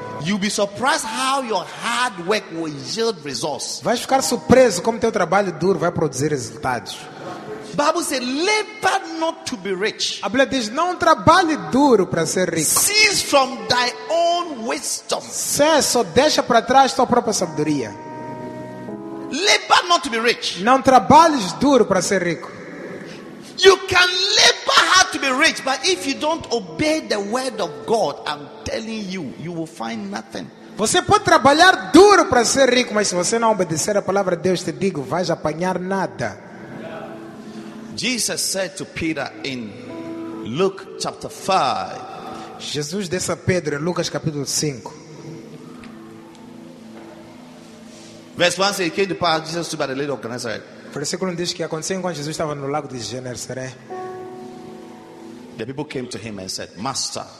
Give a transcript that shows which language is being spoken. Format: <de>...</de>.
<en>you'll be surprised how your hard work will yield results.</en> <pt>Vai ficar surpreso como teu trabalho duro vai produzir resultados.</pt> <en>Bible says, labor not to be rich.</en> <pt>A Bíblia diz, não trabalhe duro para ser rico.</pt> <en>Cease from thy own wisdom.</en> <pt>Cesse ou deixa para trás tua própria sabedoria.</pt> <en>Labor not to be rich.</en> <pt>Não trabalhes duro para ser rico.</pt> <en>You can labor hard to be rich, but if you don't obey the word of God, I'm telling you, you will find nothing.</en> <pt>Você pode trabalhar duro para ser rico, mas se você não obedecer a palavra de Deus, te digo, vais apanhar nada.</pt> <en>Jesus said to Peter in Luke chapter 5.</en> <pt>Jesus disse a Pedro em Lucas capítulo 5.</pt> <en>Verse 1 says, he came to pass, Jesus stood by the lake of Gennesaret.</en> <pt>Versículo 1 diz que aconteceu quando Jesus estava no lago de Gennesaret.</pt> <en>The people came to him and said, Master.</en>